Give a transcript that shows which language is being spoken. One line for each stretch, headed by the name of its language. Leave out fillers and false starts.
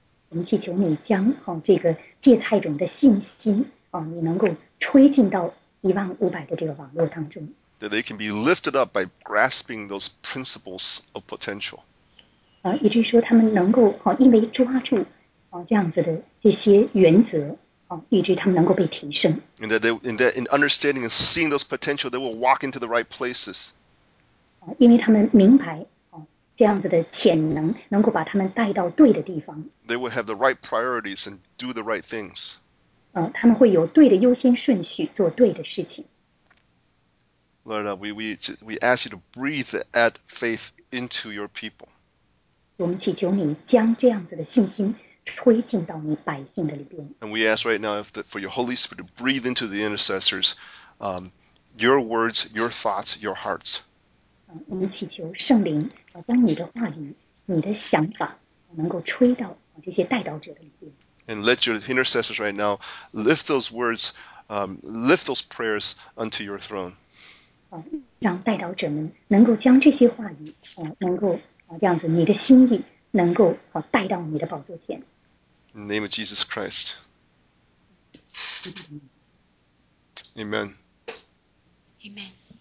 Chinese: 我们祈求你将这个芥菜种的信心你能够吹进到15000的这个网络当中。
English: That they can be lifted up by grasping those principles of potential.
Chinese: 以至于说他们能够因为抓住这样子的这些原则。以致他们能够被提升。
English: And that in understanding and seeing those potential, they will walk into the right places.
Chinese: 因为他们明白这样子的潜能能够把他们带到对的地方。
English: They will have the right priorities and do the right things.
Chinese: 他们会有对的优先顺序做对的事情。
English: Lord, we ask you to breathe that faith into your people.
Chinese: 我们祈求你将这样子的信心吹进到你百姓的里边。
English: And we ask right now for your Holy Spirit to breathe into the intercessors, your words, your thoughts, your hearts.
Chinese: 我们祈求圣灵将你的话语、你的想法能够吹到这些代祷者的里边。
English: And let your intercessors right now lift those words, lift those prayers unto your throne.
Chinese: 让代祷者们能够将这些话语能够这样子你的心意。能够带到你的宝座前。
English: In the name of Jesus Christ. Amen. Amen. Amen.